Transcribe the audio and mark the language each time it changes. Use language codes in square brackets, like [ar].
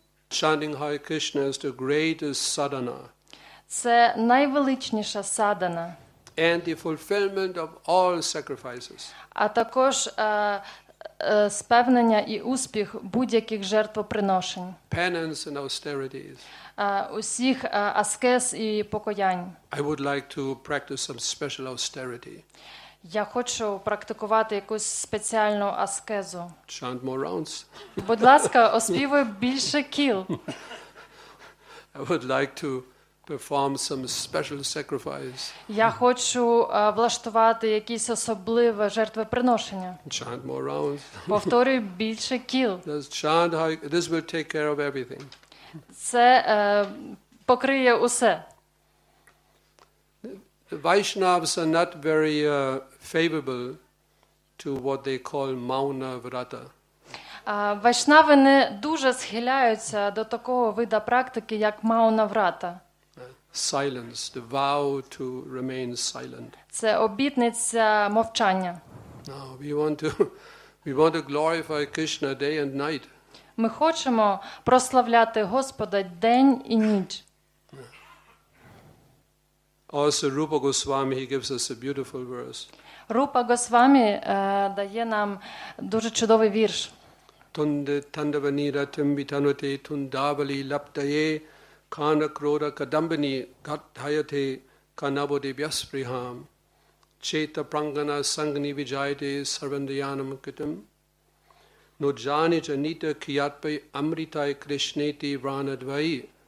[en] Chanting Hare Krishna is the greatest sadhana. [uk] Це найвеличніша садана. [en] And the fulfillment of all sacrifices. [uk] А також спевнення і успіх будь-яких жертвоприношень. [en] Penance and austerities. [uk] Усіх аскез і покоянь. [en] I would like to practice some special austerity. [uk] Я хочу практикувати якусь спеціальну аскезу. [en] Chant more rounds. [uk] Будь ласка, оспівуй більше кіл. [en] I would like to perform some special sacrifice. [uk] Я хочу влаштувати якісь особливе жертвоприношення. [en] Chant more rounds. [uk] Повторюй більше кіл. [en] This will take care of everything. [uk] Це покриє усе. [en] The Vaishnavas are not very favorable to what they call Mauna Vrata. [uk] Вайшнави не дуже схиляються до такого вида практики, як Мауна Врата. [en] Silence, the vow to remain silent. [uk] Це обітниця мовчання. [en] No, we want to glorify Krishna day and night. [uk] Ми хочемо прославляти Господа день і ніч. [en] Also Rupa Goswami, he gives us a beautiful verse. [uk] Рупа Госвамі дає нам дуже чудовий вірш. [sa] Тунде тандавані ратим вітануте тундавалі лаптає кана крода кадамбані гатхаяте канабоді б'яспріхам чета прангана сангні віджайте сарвандіянам китам но джані джаніта кіятпай амрітай кришнеті вранадвай.